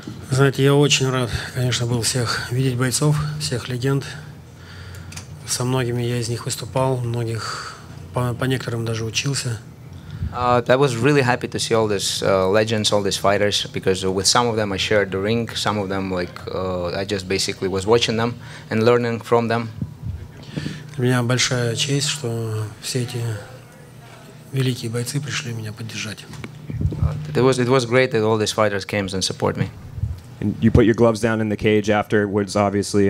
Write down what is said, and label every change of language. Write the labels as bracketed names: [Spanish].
[Russian] Знаете, я очень рад, конечно, был всех видеть бойцов, всех легенд. Со многими я из них выступал, многих по некоторым даже учился. [English] I was really happy to see all these legends, all these fighters, because with some of them I shared the ring, some of them like I just basically was watching them and learning from them. [Russian] У меня большая честь, что все эти великие бойцы пришли меня поддержать. [English] It was great that all these fighters came and support me. And you put your gloves down in the cage afterwards, obviously.